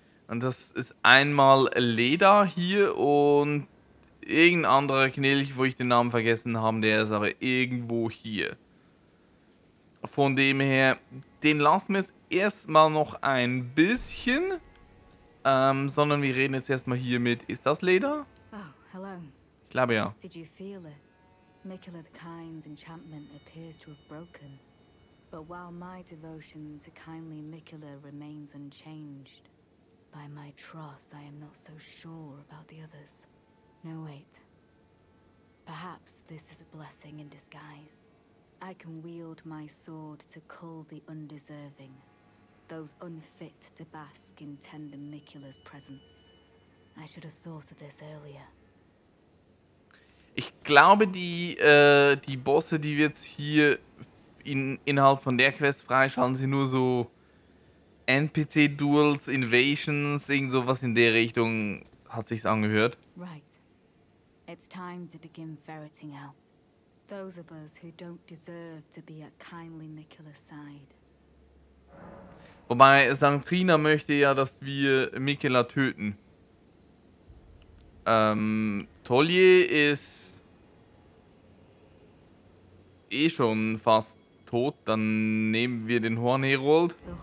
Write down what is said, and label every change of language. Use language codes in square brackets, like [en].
[de] Und das ist einmal Leda hier und irgendein anderer Knilch, wo ich den Namen vergessen habe, der ist aber irgendwo hier. Von dem her, den lassen wir jetzt erstmal noch ein bisschen. Sondern wir reden jetzt erstmal hier mit, ist das Leda? Oh, hallo. Ich glaube ja. [en] Did you feel it? Mikula the Kind's enchantment appears to have broken. But while my devotion to kindly Mikula remains unchanged, by my troth I am not so sure about the others. No, wait. Perhaps this is a blessing in disguise. I can wield my sword to cull the undeserving, those unfit to bask in tender Mikula's presence. I should have thought of this earlier. [de] Ich glaube, die Bosse, die wir jetzt hier innerhalb von der Quest freischalten, sind nur so NPC-Duels, Invasions, irgend sowas in der Richtung, hat sich's angehört. [en] Right. It's time to begin ferreting out. Those of us who don't deserve to be at kindly Mikula's side. [de] Wobei, Sanfrina möchte ja, dass wir Mikula töten. Tolje ist eh schon fast tot, dann nehmen wir den Hornherold.